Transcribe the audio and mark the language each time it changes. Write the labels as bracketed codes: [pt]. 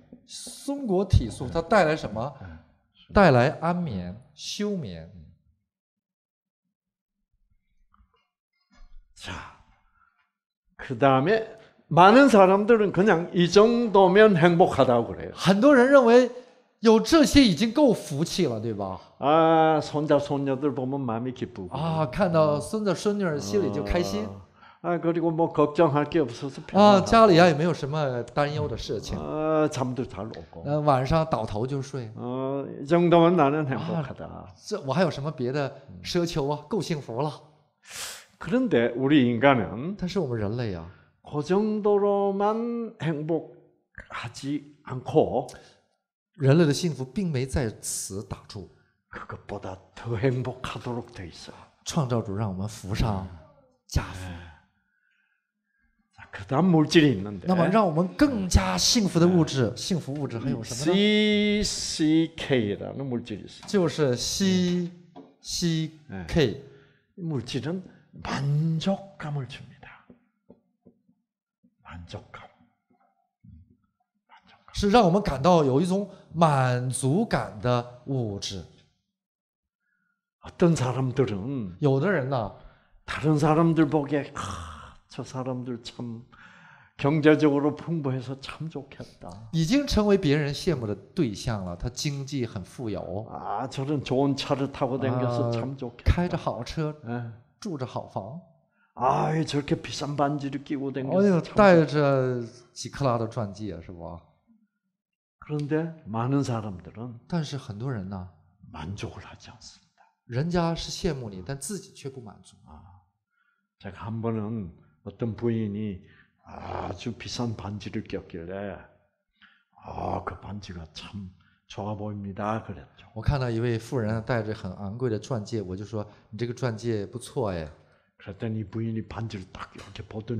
[zh] 松果体素它带来什么带来安眠休眠 [ko] 자그다음에많은사람들은그냥이정도면행복하다고그래요 [zh] 很多人认为有这些已经够福气了对吧 [ko] 아손자손녀들보면마음이기쁘고 [zh] 아看到孙子孙女心里就开心 [ko] 아그리고뭐걱정할게없어서 [zh] 아家里也没有什么担忧的事情 [ko] 아잠도잘오고 [zh] 晚上倒头就睡 [ko] 아이정도면나는행복하다 [zh] 这我还有什么别的奢求啊够幸福了 [ko] 그런데우리인간은 [zh] 但是我们人类啊 [ko] 그정도로만행복하지않고 [zh] 人类的幸福并没在此打住 [ko] 그것보다더행복하도록돼있어 [zh] 创造主让我们服上加服 [ko] 그다음물질이있는데 [zh] 那么让我们更加幸福的物质幸福物质还有什么呢 [ko] CCK 라는물질이있어 [zh] 就是 CCK [ko] 물질은만족감을줍니다만족감 [zh] 是让我们感到有一种满足感的物质 [ko] 어떤사람들은 [zh] 有的人呢 [ko] 다른사람들보기에저사람들참경제적으로풍부해서참좋겠다 [zh] 已经成为别人羡慕的对象了他经济很富有 [ko] 아저런좋은차를타고다녀서참좋겠다 [zh] 开着好车住着好房 [ko] 아저렇게비싼반지를끼고다녀서참좋겠다 [zh] 带着几克拉的钻戒是吧 [ko] 그런데많은사람들은 [zh] 但是很多人呢 [ko] 만족을하지않습니다 [zh] 人家是羡慕你但自己却不满足 [ko] 아제가한번은어떤부인이아주비싼반지를꼈길래아그반지가참좋아보입니다그랬죠 [zh] 我看到一位富人带着很昂贵的钻戒我就说你这个钻戒不错耶 [ko] 그랬더니부인이반지를딱이렇게보더니